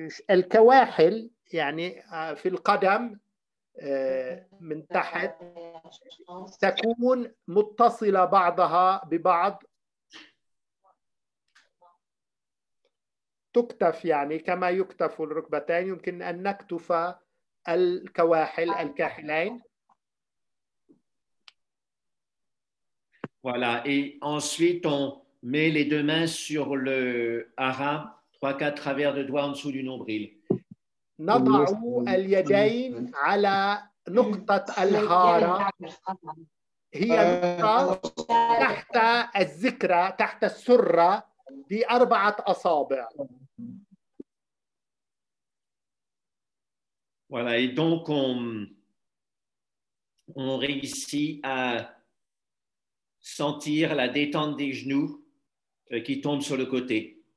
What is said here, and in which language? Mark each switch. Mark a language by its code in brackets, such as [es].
[ar] الكواحل يعني في القدم من تحت تكون متصلة بعضها ببعض تكتف يعني كما يكتف الركبتين يمكن أن نكتف الكواحل الكاحلين. [fr] Voilà et ensuite on met les deux mains sur le haras, 3-4 travers de doigts en dessous du nombril. [ar] نضع اليدين على نقطة الحارة هي تحت الذكرى تحت السرة بأربعة أصابع. [fr] Voilà et donc on réussit à sentir la détente des genoux qui tombent sur le côté.